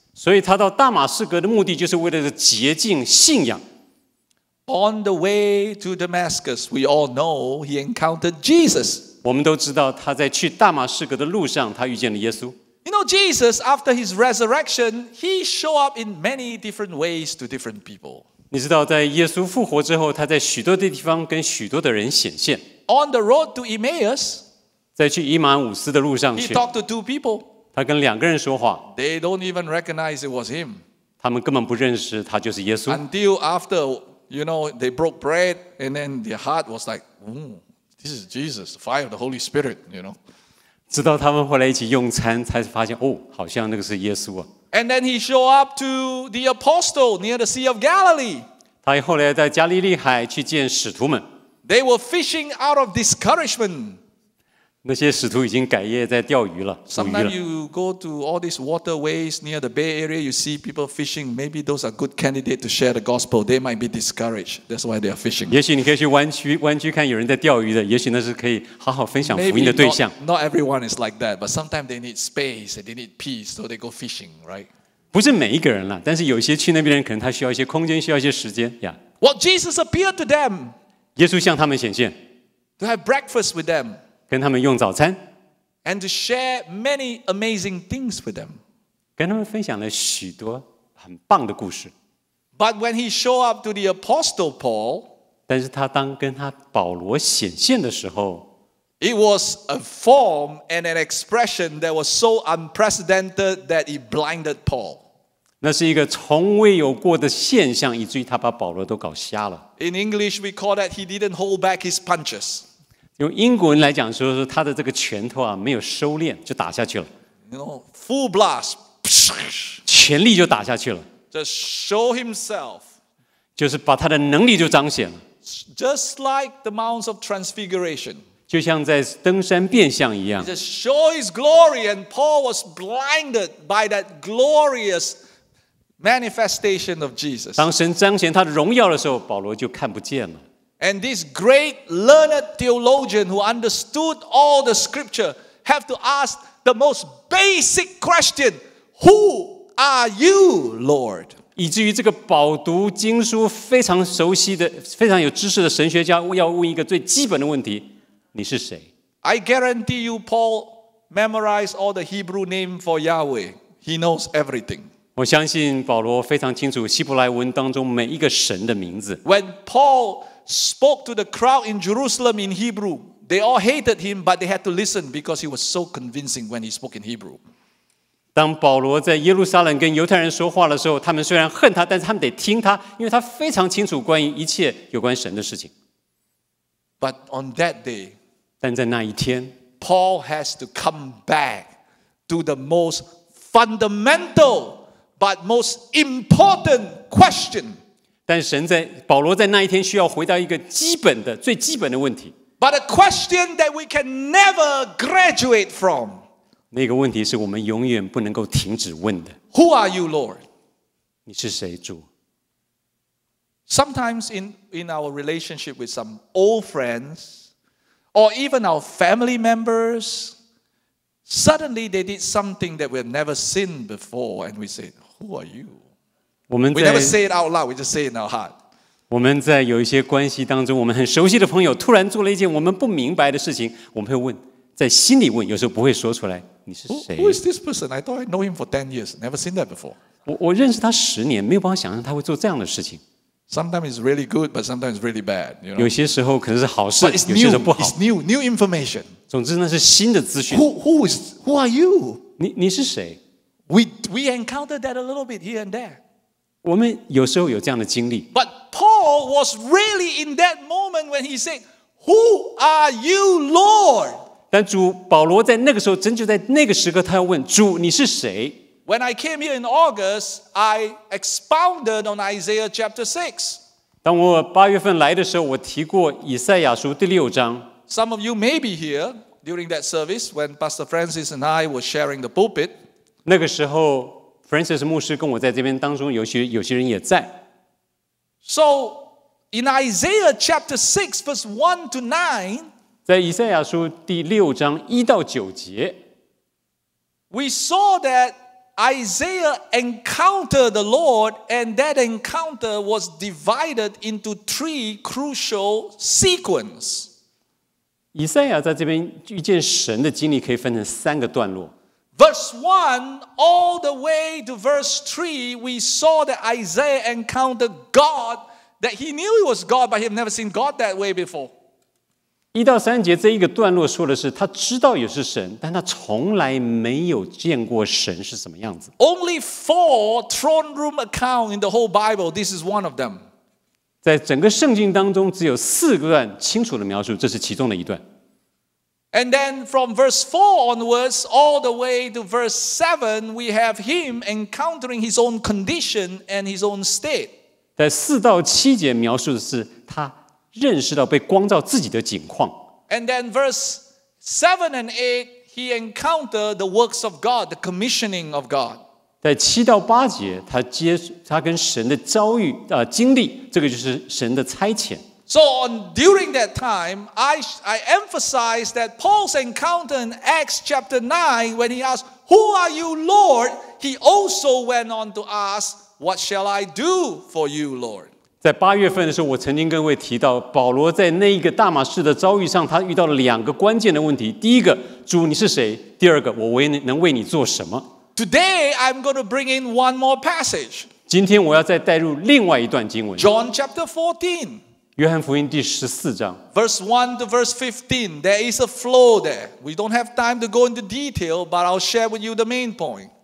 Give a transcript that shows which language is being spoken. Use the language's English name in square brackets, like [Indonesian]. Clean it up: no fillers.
[Chinese] 所以他到大马士革的目的就是为了洁净信仰。 [English] On the way to Damascus, we all know he encountered Jesus. [Chinese] 我们都知道他在去大马士革的路上，他遇见了耶稣。 [English] You know, Jesus, after his resurrection, he showed up in many different ways to different people. [Chinese] 你知道在耶稣复活之后，他在许多的地方跟许多的人显现。 [English] On the road to Emmaus, [Chinese] 在去以马忤斯的路上去 [English] he talked to two people. [Chinese] 他跟两个人说话 [English] They don't even recognize it was him. [Chinese] 他们根本不认识他就是耶稣 [English] Until after, you know, they broke bread and then their heart was like, this is Jesus, fire of the Holy Spirit, you know. [Chinese] 直到他们后来一起用餐才发现哦，好像那个是耶稣啊。 [English] And then he showed up to the apostle near the Sea of Galilee. [Chinese] 他后来在加利利海去见使徒们。 [English] They were fishing out of discouragement. [Chinese] 那些使徒已经改业在钓鱼了。 [English] Sometimes you go to all these waterways near the Bay Area, you see people fishing. Maybe those are good candidates to share the gospel. They might be discouraged. That's why they are fishing. [Chinese] 也许你可以去湾区看有人在钓鱼的，也许那是可以好好分享福音的对象。 [English] Maybe not everyone is like that, but sometimes they need space and they need peace, so they go fishing, right? [Chinese] 不是每一个人了，但是有些去那边的人可能他需要一些空间，需要一些时间呀。 [English] Well, Jesus appeared to them. [Chinese] 耶稣向他们显现。 [English] To have breakfast with them. [Chinese] 跟他们用早餐 [English] and to share many amazing things with them. [Chinese] 跟他们分享了许多很棒的故事。 [English] But when he showed up to the apostle Paul, [Chinese] 但是他当跟他保罗显现的时候 [English] it was a form and an expression that was so unprecedented that it blinded Paul. [Chinese] 那是一个从未有过的现象，以至于他把保罗都搞瞎了。 [English] In English, we call that he didn't hold back his punches. [Chinese] 用英国人来讲说他的这个拳头啊没有收敛就打下去了。 [English] You know, full blast, [Chinese] 全力就打下去了。 [English] Just show himself. [Chinese] 就是把他的能力就彰显了。 [English] Just like the Mount of Transfiguration. [Chinese] 就像在登山变相一样。 [English] He just show his glory and Paul was blinded by that glorious manifestation of Jesus. [Chinese] 当神彰显他的荣耀的时候保罗就看不见了。 [English] And this great learned theologian who understood all the scripture have to ask the most basic question, Who are you, Lord? [Chinese] 以至于这个饱读经书非常熟悉的、非常有知识的神学家要问一个最基本的问题，你是谁？ [English] I guarantee you, Paul memorized all the Hebrew name for Yahweh. He knows everything. [Chinese] 我相信保罗非常清楚希伯来文当中每一个神的名字。 [English] When Paul spoke to the crowd in Jerusalem in Hebrew, they all hated him, but they had to listen because he was so convincing when he spoke in Hebrew. [Chinese] 当保罗在耶路撒冷跟犹太人说话的时候，他们虽然恨他，但是他们得听他，因为他非常清楚关于一切有关神的事情。 [English] But on that day, [Chinese] 但在那一天 [English] ，Paul has to come back to the most fundamental. But most important question. [Chinese] 但神在保罗在那一天需要回答一个基本的最基本的问题。 [English] But a question that we can never graduate from. [Chinese] 那个问题是我们永远不能够停止问的。 [English] Who are you, Lord? [Chinese] 你是谁，主 [English] ？Sometimes in our relationship with some old friends, or even our family members. Suddenly, they did something that we have never seen before, and we say, "Who are you?" We never say it out loud; we just say it in our heart. [Chinese] 我们在有一些关系当中，我们很熟悉的朋友突然做了一件我们不明白的事情，我们会问，在心里问，有时候不会说出来，你是谁 [English] ？Who is this person? I thought I know him for 10 years. Never seen that before. [Chinese] 我认识他十年，没有办法想象他会做这样的事情。 [English] Sometimes it's really good, but sometimes it's really bad. You know? [Chinese] 有些时候可能是好事， [English] but it's new, [Chinese] 有些时候不好。 [English] It's new, new information. [Chinese] 总之那是新的资讯。 [English] Who are you? [Chinese] 你是谁？ [English] We encountered that a little bit here and there. [Chinese] 我们有时候有这样的经历。 [English] But Paul was really in that moment when he said, "Who are you, Lord?" [Chinese] 但主保罗在那个时候，真就在那个时刻，他要问主，你是谁？ [English] When I came here in August, I expounded on Isaiah chapter 6. [Chinese] 当我八月份来的时候，我提过以赛亚书第六章。 [English] Some of you may be here during that service when Pastor Francis and I were sharing the pulpit. [Chinese] 那个时候 ，Francis 牧师跟我在这边当中，有些人也在。 [English] So in Isaiah chapter 6, verse 1 to 9. [Chinese] 在以赛亚书第六章一到九节。 [English] We saw that Isaiah encountered the Lord, and that encounter was divided into three crucial sequence. [Chinese] 以赛亚在这边遇见神的经历可以分成三个段落。 [English] Verse 1, all the way to verse 3, we saw that Isaiah encountered God, that he knew he was God, but he had never seen God that way before. [Chinese] 一到三节这一个段落说的是他知道也是神但他从来没有见过神是什么样子。 [English] Only 4 throne room accounts in the whole Bible, this is one of them. [Chinese] 在整个圣经当中只有四个段清楚的描述这是其中的一段。 [English] And then from verse 4 onwards, all the way to verse 7, we have him encountering his own condition and his own state. [Chinese] 在四到七节描述的是他认识到被光照自己的景况。 [English] And then verse 7 and 8, he encountered the works of God, the commissioning of God. [Chinese] 在七到八节 他跟神的遭遇、经历这个就是神的差遣。 [English] So during that time, I emphasize that Paul's encounter in Acts chapter 9, when he asked, "Who are you, Lord?" he also went on to ask, "What shall I do for you, Lord?" [Chinese] 在八月份的时候，我曾经跟各位提到，保罗在那一个大马士的遭遇上，他遇到了两个关键的问题：第一个，主你是谁？第二个，我能为你做什么 [English] ？Today I'm going to bring in one more passage. [Chinese] 今天我要再带入另外一段经文 [English] ，John chapter 14. [Chinese] 约翰福音第十四章 [English] Verse 1 to verse 15 There is a flow there. We don't have time to go into detail, but I'll share with you the main point.